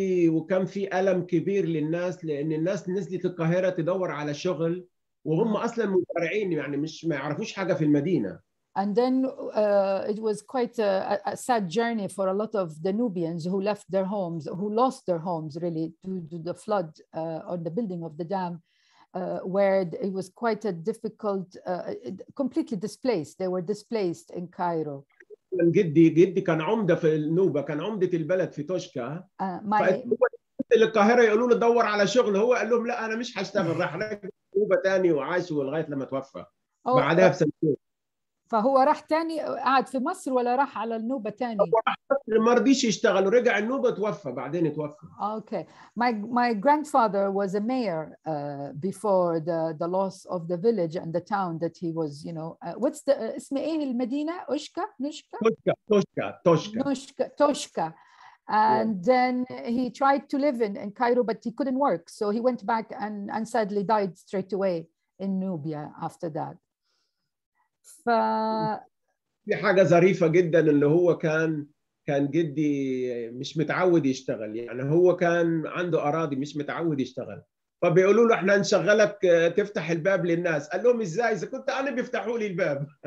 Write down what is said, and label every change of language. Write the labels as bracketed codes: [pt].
[ar] وكان في ألم كبير للناس، لأن الناس نزلت القاهرة تدور على شغل وهم اصلا مزارعين، يعني مش ما يعرفوش حاجه في المدينه. [en] And then it was quite a sad journey for a lot of the Nubians who left their homes, who lost their homes really due to the flood or the building of the dam, where it was quite a difficult completely displaced. They were displaced in Cairo. [ar] جدي كان عمده في النوبه، كان عمده البلد في توشكا. للقاهره يقولوا له دور على شغل، هو قال لهم لا انا مش هشتغل، راح نوبة تاني وعاش لغاية لما توفى بعدها بسنتين. فهو راح تاني قعد في مصر ولا راح على النوبة تاني؟ هو راح مصر ما رضيش يشتغل ورجع النوبة توفى، بعدين توفى. [en] Okay. My grandfather was a mayor before the loss of the village and the town that he was, you know. What's the [ar] اسم ايه المدينة؟ أوشكا؟ نوشكا؟ توشكا. [en] And yeah. Then he tried to live in Cairo, but he couldn't work. So he went back and sadly died straight away in Nubia after that. [ar] في حاجة ظريفة جدا اللي هو كان جدي مش متعود يشتغل، يعني هو كان عنده أراضي مش متعود يشتغل. فبيقولوا له احنا نشغلك تفتح الباب للناس، قال لهم ازاي اذا كنت انا بيفتحوا لي الباب.